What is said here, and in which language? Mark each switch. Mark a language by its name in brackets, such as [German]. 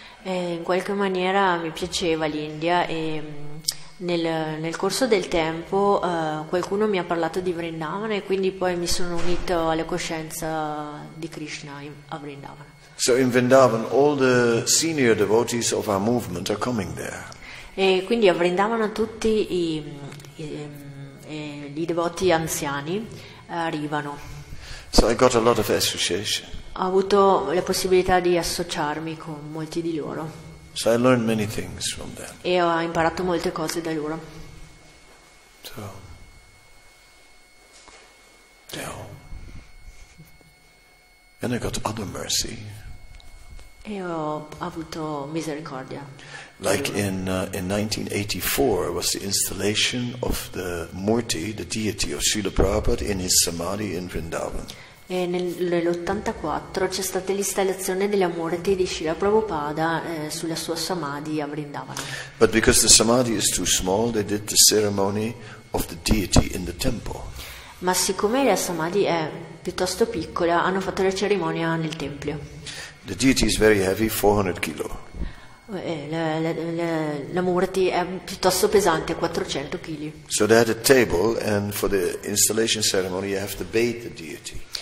[Italian] E in qualche maniera mi piaceva l'India e nel corso del tempo qualcuno mi ha parlato di Vrindavan e quindi poi mi sono unito alla coscienza di Krishna a Vrindavan. [English] So in Vrindavan all the senior devotees of our movement are coming there. [Italian] E quindi a Vrindavan tutti i devoti anziani arrivano. [English] So I got a lot of association. [Italian] Ho avuto la possibilità di associarmi con molti di loro. [English] So I learned many things from them. [Italian] E ho imparato molte cose da loro. [English] So. And I got other mercy. [Italian] E ho avuto misericordia. [English] Like in 1984 was the installation of the Murti, the deity of Srila Prabhupada, in his samadhi in Vrindavan. [Italian] E nell'84 c'è stata l'installazione della Murti di Srila Prabhupada sulla sua samadhi a Vrindavan. [English] But because the samadhi is too small, they did the ceremony of the deity in the temple. [Italian] Ma siccome la samadhi è piuttosto piccola, hanno fatto la cerimonia nel tempio. [English] The deity is very heavy, 400 kilo. [Italian] La Murti è piuttosto pesante, 400 kg. [English] So they had a table, and for the installation ceremony you have to bathe the deity.